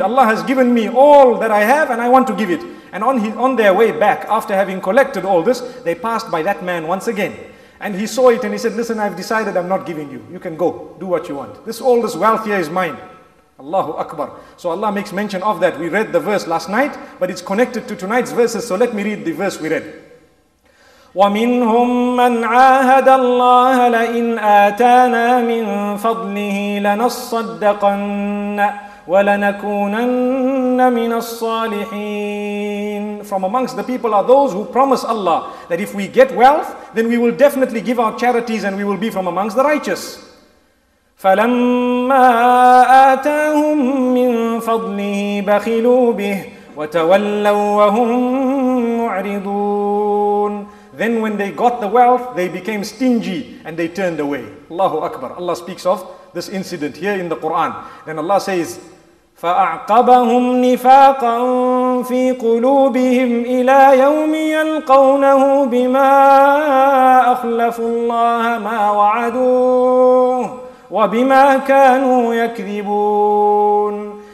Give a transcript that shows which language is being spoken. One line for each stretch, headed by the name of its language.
English: Allah has given me all that I have and I want to give it. And on their way back, after having collected all this, they passed by that man once again. And he saw it and he said, listen, I've decided I'm not giving you. You can go. Do what you want. All this wealth here is mine.
Arabic: Allahu Akbar.
English: So Allah makes mention of that. We read the verse last night, but it's connected to tonight's verses. So let me read the verse we read.
Arabic: ومنهم من عاهد الله لئن آتانا من فضله لنصدقن ولنكونن من الصالحين.
English: From amongst the people are those who promise Allah that if we get wealth, then we will definitely give our charities and we will be from amongst the righteous.
Arabic: فلما آتاهم من فضله بخلوا به وتولوا وهم معرضون.
English: Then when they got the wealth, they became stingy and they turned away.
Arabic: Allahu Akbar.
English: Allah speaks of this incident here in the Quran. Then Allah says,
Arabic: فَأَعْقَبَهُمْ نِفَاقًا فِي قُلُوبِهِمْ إِلَى يَوْمِ يَلْقَوْنَهُ بِمَا أَخْلَفُوا اللَّهَ مَا وَعَدُوهُ وَبِمَا كَانُوا يَكْذِبُونَ.